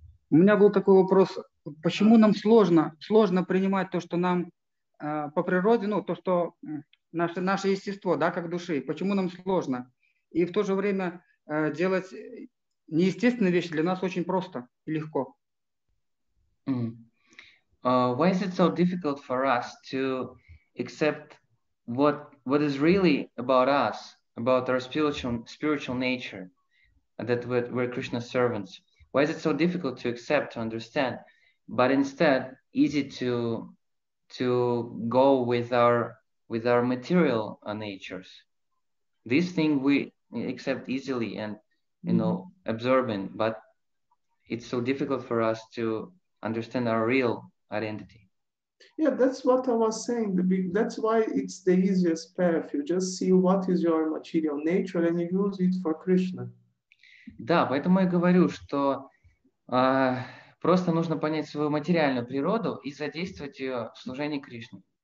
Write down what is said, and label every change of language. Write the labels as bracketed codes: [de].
[ru] У меня был такой вопрос. Почему нам сложно принимать то, что нам по природе, ну, то, что наше естество, да, как души, почему нам сложно? И в то же время делать неестественные вещи для нас очень просто и легко. [en] Why is it so difficult for us to accept what is really about us, about our spiritual nature, that we're Krishna's servants? Why is it so difficult to accept, to understand, but instead easy to go with our material natures? This thing we accept easily and, you know, absorbing, but it's so difficult for us to understand our real identity. Yeah, that's what I was saying. That's why it's the easiest path. You just see what is your material nature and you use it for Krishna. [ru] Да, поэтому я говорю, что просто нужно понять свою материальную природу и задействовать ее в служении Кришне.